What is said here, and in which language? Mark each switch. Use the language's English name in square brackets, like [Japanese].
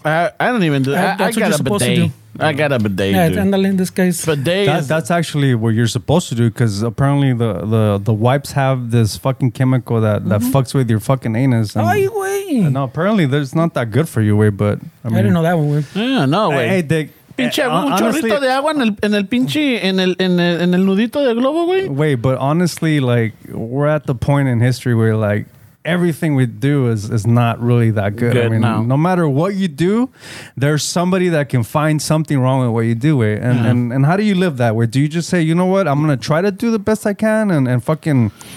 [English] I don't even do that. I got a bidet. Yeah, and in this case, that's actually what you're supposed to do because apparently the wipes have this fucking chemical that fucks with your fucking anus. And, oh, you wait. No, apparently, it's not that good for you, way. But I mean, I didn't know that one, way. Yeah, no, way. Hey, Dick. [Spanish] Pinche chorrito de agua en el pinche en el nudito de globo, güey. [English] Wait, but honestly, like, we're at the point in history where, like, everything we do is not really that good. I mean, no matter what you do, there's somebody that can find something wrong with what you do, way. And, and how do you live that way? Do you just say, you know what, I'm going to try to do the best I can and fucking...